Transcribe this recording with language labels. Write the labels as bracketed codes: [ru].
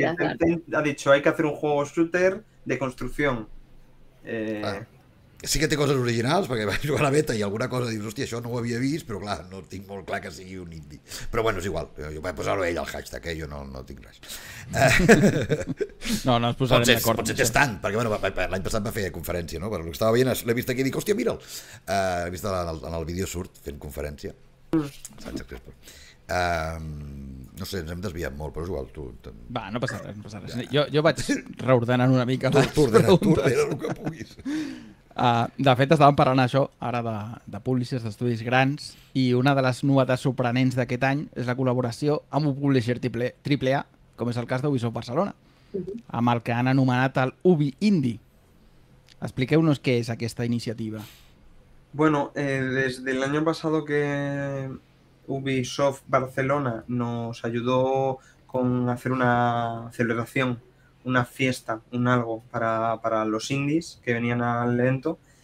[es] Tencent ha dicho hay que hacer un juego shooter de construcción. [ca] Sí que té coses originals, perquè vaig jugar a la beta i alguna cosa dius, hòstia, això no ho havia vist, però clar, no tinc molt clar que sigui un indie. Però bueno, és igual, jo vaig posar-ho ell al hashtag, jo no tinc res. No, no ens posarem d'acord. Potser té Stand, perquè bueno, l'any passat va fer conferència, no? Però el que estava veient, l'he vist aquí i dic, hòstia, mira'l. L'he vist en el vídeo surt fent conferència. Sánchez Crespo. No sé, ens hem desviat molt, però és igual. Va, no passa res, no passa res. Jo vaig reordenant una mica les preguntes. Tu ordena el que puguis. De fet, estàvem parlant això ara de publishers, d'estudis grans, i una de les novetats sorprenents d'aquest any és la col·laboració amb un publisher triple A, com és el cas d'Ubisoft Barcelona, amb el que han anomenat el Ubi Indie. Expliqueu-nos què és aquesta iniciativa. [es] Bueno, [ca] des de l'any passat que [es] Ubisoft Barcelona nos ayudó con hacer una celebración, una fiesta, un algo para los indies que venían al evento.